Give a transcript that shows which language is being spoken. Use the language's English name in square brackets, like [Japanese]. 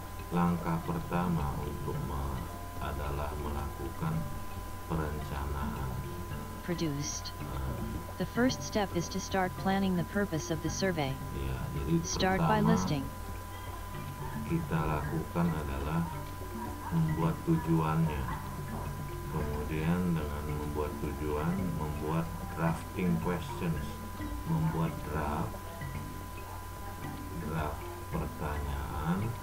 [Indonesian] Langkah pertama untuk adalah melakukan perencanaan. [English] Produced. The first step is to start planning the purpose of the survey. [Indonesian] Ya, jadi [English] start by listing. [Indonesian] Kita lakukan adalah membuat tujuannya. Kemudian dengan membuat tujuan, membuat [English] drafting questions, [Indonesian] membuat draft pertanyaan.